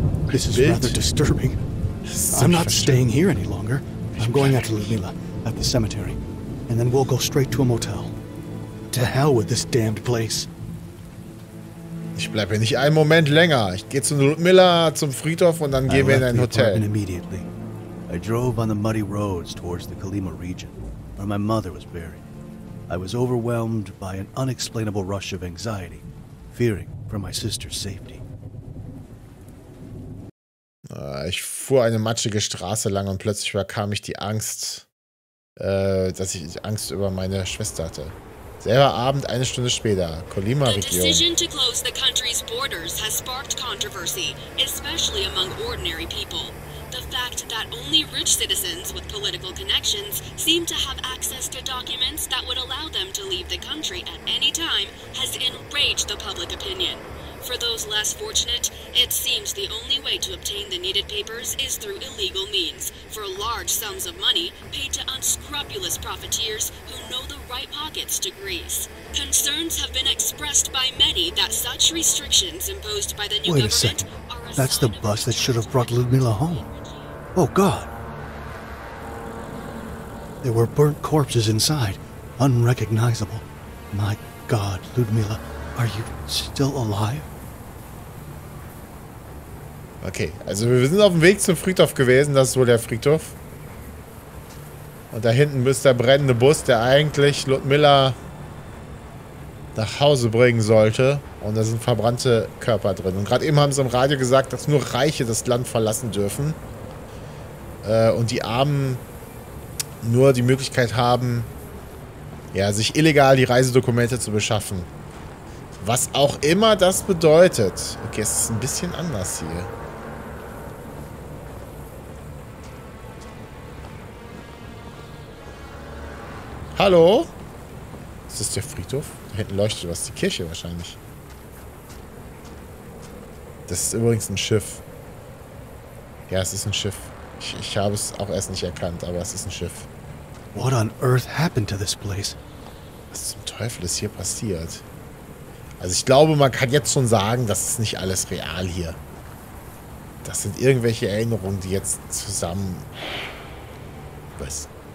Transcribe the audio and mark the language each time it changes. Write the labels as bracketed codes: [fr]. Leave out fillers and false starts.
[en] This is rather disturbing. I'm not staying here any longer. I'm going out to Ludmilla, at the cemetery. And then we'll go straight to a motel. To hell with this damned place. [de] Ich bleibe nicht einen Moment länger. Ich gehe zu Ludmilla, zum Friedhof und dann gehen wir in ein Hotel. [en] Immediately. I drove on the muddy roads towards the Kalima region, where my mother was buried. I was overwhelmed by an unexplainable rush of anxiety, fearing for my sister's safety. Ich fuhr eine matschige Straße lang und plötzlich überkam mich die Angst, dass ich Angst über meine Schwester hatte. Selber Abend, eine Stunde später, Kolima-Region. The decision to close the country's borders has sparked controversy, especially among ordinary people. The fact that only rich citizens with political connections seem to have access to documents that would allow them to leave the country at any time has enraged the public opinion. For those less fortunate, it seems the only way to obtain the needed papers is through illegal means, for large sums of money paid to unscrupulous profiteers who know the right pockets to grease. Concerns have been expressed by many that such restrictions imposed by the new government are a second. That's the bus that should have brought Ludmilla home. Oh, God. There were burnt corpses inside, unrecognizable. My God, Ludmilla, are you still alive? [de] Okay, also wir sind auf dem Weg zum Friedhof gewesen, das ist wohl der Friedhof. Und da hinten ist der brennende Bus, der eigentlich Ludmilla nach Hause bringen sollte. Und da sind verbrannte Körper drin. Und gerade eben haben sie im Radio gesagt, dass nur Reiche das Land verlassen dürfen. Und die Armen nur die Möglichkeit haben, ja, sich illegal die Reisedokumente zu beschaffen. Was auch immer das bedeutet. Okay, es ist ein bisschen anders hier. Hallo? Ist das der Friedhof? Da hinten leuchtet was, die Kirche wahrscheinlich. Das ist übrigens ein Schiff. Ja, es ist ein Schiff. Ich habe es auch erst nicht erkannt, aber es ist ein Schiff. [en] What on earth happened to this place? [de] Was zum Teufel ist hier passiert? Also ich glaube, man kann jetzt schon sagen, das ist nicht alles real hier. Das sind irgendwelche Erinnerungen, die jetzt zusammen... Was?